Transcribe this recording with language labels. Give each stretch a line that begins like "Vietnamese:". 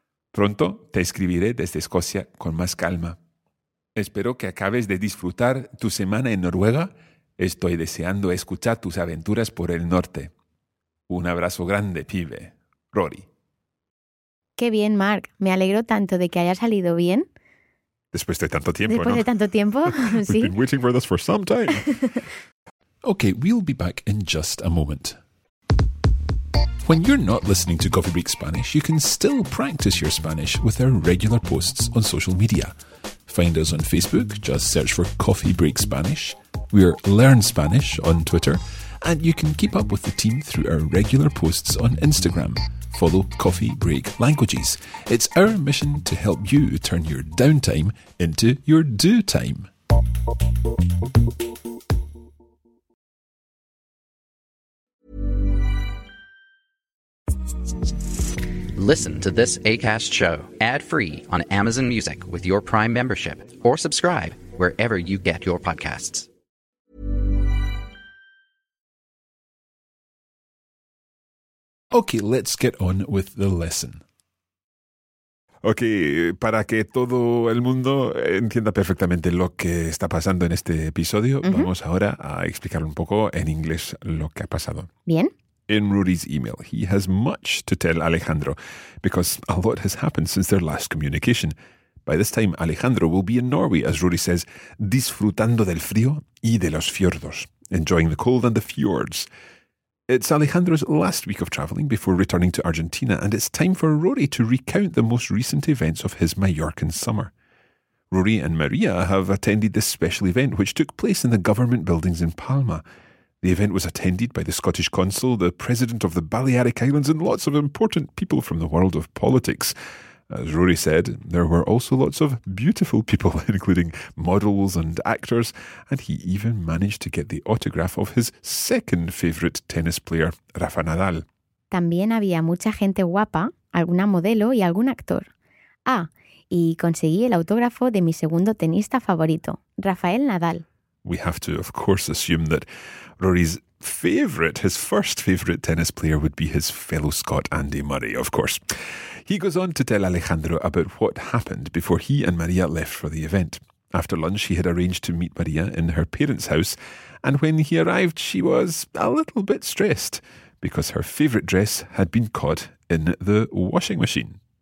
Spanish: Pronto te escribiré desde Escocia con más calma. Espero que acabes de disfrutar tu semana en Noruega. Estoy deseando escuchar tus aventuras por el norte. Un abrazo grande, pibe. Rory. Qué bien, Mark. Me alegro tanto de que haya salido bien. Después de tanto tiempo, Después ¿no? de tanto tiempo, sí.
English: We've been waiting for this for some time. Okay, we'll be back in just a moment. When you're not listening to Coffee Break Spanish, you can still practice your Spanish with our regular posts on social media. Find us on Facebook, just search for Coffee Break Spanish. We're Learn Spanish on Twitter, and you can keep up with the team through our regular posts on Instagram. Follow Coffee Break Languages. It's our mission to help you turn your downtime into your do time. Listen to this Acast show ad-free on Amazon Music with your Prime membership or subscribe wherever you get your podcasts. Okay, let's get on with the lesson.
Spanish: Okay, para que todo el mundo entienda perfectamente lo que está pasando en este episodio, vamos ahora a explicar un poco en inglés lo que ha pasado. Bien.
English: In Rudy's email, he has much to tell Alejandro because a lot has happened since their last communication. By this time, Alejandro will be in Norway, as Rudy says,
Spanish: disfrutando del frío y de los fiordos,
English: enjoying the cold and the fjords. It's Alejandro's last week of traveling before returning to Argentina, and it's time for Rory to recount the most recent events of his Mallorcan summer. Rory and Maria have attended this special event, which took place in the government buildings in Palma. The event was attended by the Scottish Consul, the President of the Balearic Islands, and lots of important people from the world of politics. As Rory said, there were also lots of beautiful people, including models and actors, and he even managed to get the autograph of his second favourite tennis player, Rafa Nadal.
Spanish: También había mucha gente guapa, alguna modelo y algún actor. Ah, y conseguí el autógrafo de mi segundo tenista favorito, Rafael Nadal.
English: We have to, of course, assume that Rory's favourite, his first favourite tennis player would be his fellow Scot Andy Murray, of course. He goes on to tell Alejandro about what happened before he and Maria left for the event. After lunch, he had arranged to meet Maria in her parents' house, and when he arrived, she was a little bit stressed because her favourite dress had been caught in the washing machine.